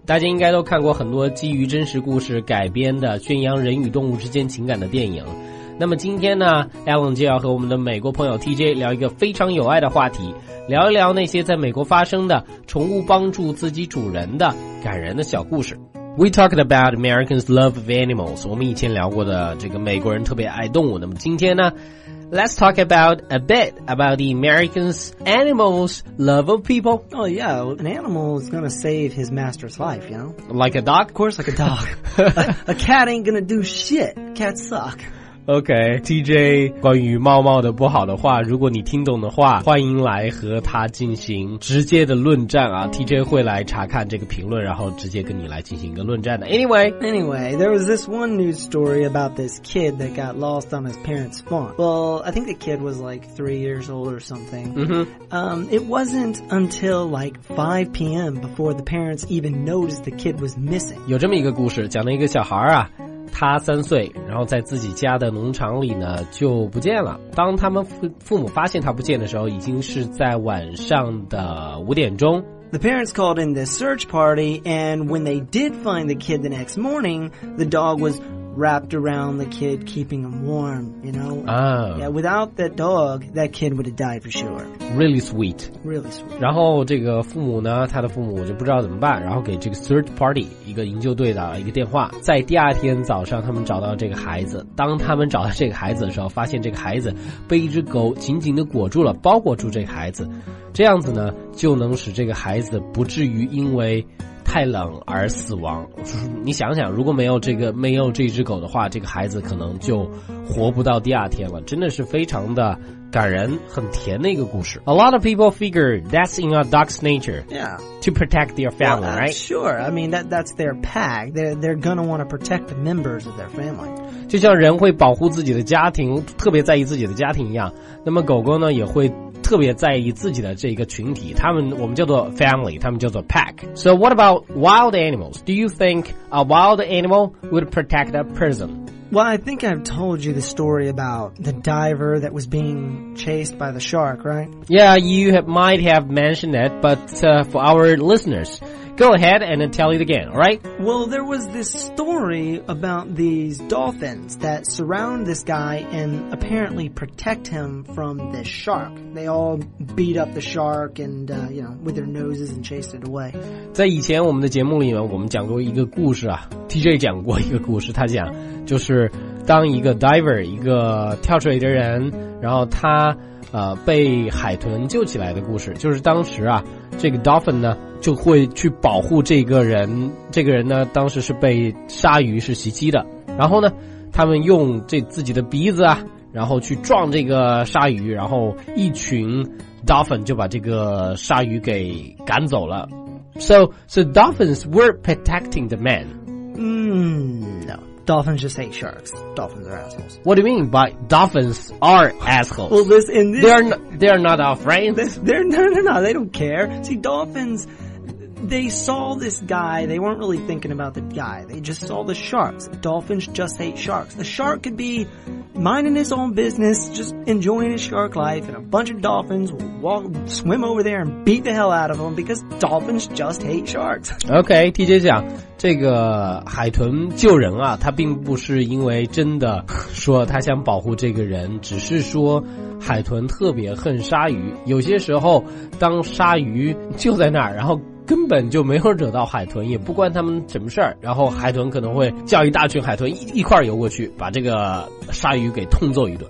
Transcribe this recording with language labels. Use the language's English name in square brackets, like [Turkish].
[Chinese] 大家应该都看过很多基于真实故事改编的宣扬人与动物之间情感的电影。那么今天呢， Alan 就要和我们的美国朋友 TJ 聊一个非常有爱的话题，聊一聊那些在美国发生的宠物帮助自己主人的感人的小故事。 [English] We talked about Americans' love of animals， [Chinese] 我们以前聊过的这个美国人特别爱动物。那么今天呢， [English] Let's talk about a bit about the Americans' animals' love of people. Oh, yeah. An animal is going to save his master's life, you know? Like a dog? Of course, like a dog. a cat ain't going to do shit. Cats suck. [Chinese] Okay, TJ, 关于猫猫的不好的话，如果你听懂的话，欢迎来和他进行直接的论战啊。 TJ 会来查看这个评论，然后直接跟你来进行一个论战的。 [English] Anyway, there was this one news story about this kid that got lost on his parents' farm. Well, I think the kid was like 3 years old or something. Mm-hmm. It wasn't until like 5 p.m. before the parents even noticed the kid was missing. [Chinese] 有这么一个故事，讲了一个小孩啊，他3岁，然后在自己家的农场里呢就不见了。当他们父母发现他不见的时候，已经是在晚上的5点钟。 [English] The parents called in the search party, and when they did find the kid the next morning, the dog was wrapped around the kid, keeping him warm. You know, yeah. Without that dog, that kid would have died for sure. Really sweet. Really sweet. [Chinese] 然后这个父母呢，他的父母就不知道怎么办，然后给这个 search party 一个营救队的一个电话。在第二天早上，他们找到这个孩子。当他们找到这个孩子的时候，发现这个孩子被一只狗紧紧的裹住了，包裹住这个孩子。这样子呢，就能使这个孩子不至于因为太冷而死亡。你想想，如果没有这只狗的话，这个孩子可能就活不到第二天了。真的是非常的感人，很甜的一个故事。 [English] A lot of people figure that's in a dog's nature. Yeah. To protect their family, well, right? Sure. I mean, that's their pack. They're gonna want to protect the members of their family. [Chinese] 就像人会保护自己的家庭，特别在意自己的家庭一样，那么狗狗呢也会特别在意自己的这个群体，我们叫做 family， 他们叫做 pack。 [English] So what about wild animals? Do you think a wild animal would protect a person? Well, I think I've told you the story about the diver that was being chased by the shark, right? Yeah, you might have mentioned it, but for our listeners, go ahead and tell it again, all right? Well, there was this story about these dolphins that surround this guy and apparently protect him from this shark. They all beat up the shark and, you know, with their noses and chase it away. [Chinese] 在以前我们的节目里面，我们讲过一个故事啊， TJ 讲过一个故事，他讲就是当一个 diver， 一个跳水的人，然后他被海豚救起来的故事，就是当时啊，这个 dolphin 呢就会去保护这个人，这个人呢当时是被鲨鱼是袭击的，然后呢他们用这自己的鼻子啊，然后去撞这个鲨鱼，然后一群 dolphin 就把这个鲨鱼给赶走了。 [English] So dolphins were protecting the man. No, dolphins just hate sharks. Dolphins are assholes. What do you mean by dolphins are assholes? Well, they're not our friends. No, they don't care. See, dolphins, they saw this guy. They weren't really thinking about the guy. They just saw the sharks. Dolphins just hate sharks. The shark could be minding his own business, just enjoying his shark life, and a bunch of dolphins will swim over there and beat the hell out of him because dolphins just hate sharks. [Chinese] Okay, TJ 讲这个海豚救人啊，他并不是因为真的说他想保护这个人，只是说海豚特别恨鲨鱼。有些时候，当鲨鱼就在那儿，然后根本就没有惹到海豚，也不关他们什么事儿，然后海豚可能会叫一大群海豚一块游过去，把这个鲨鱼给痛揍一顿。